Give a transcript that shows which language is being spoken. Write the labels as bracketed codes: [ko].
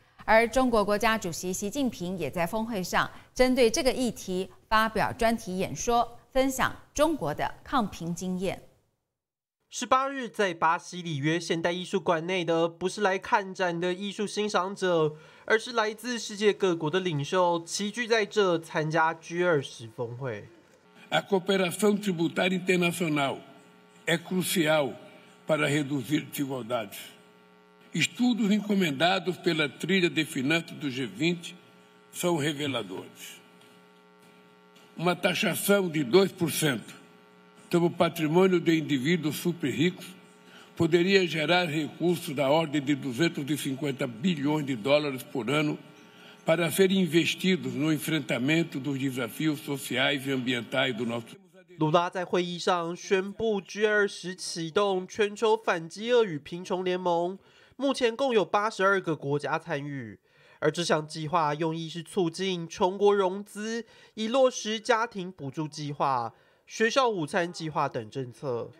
[zh] 而中国国家主席习近平也在峰会上针对这个议题发表专题演说，分享中国的抗贫经验。 18日在巴西里约现代艺术馆内的，不是来看展的艺术欣赏者，而是来自世界各国的领袖齐聚在这参加 G20 峰会。 [pt] A cooperação tributária internacional é crucial para reduzir desigualdades. Estudos encomendados pela trilha de finanças do G20 são reveladores. Uma taxação de 2%sobre o patrimônio de indivíduos super ricos, poderia gerar recursos da ordem de 250 bilhões de dólares por ano para serem investidos no enfrentamento dos desafios sociais e ambientais do nosso país. [zh] Lula 在会议上宣布 G20 启动全球反饥饿与贫穷联盟，目前共有82个国家参与。而这项计划用意是促进穷国融资，以落实家庭补助计划、学校午餐计划等政策。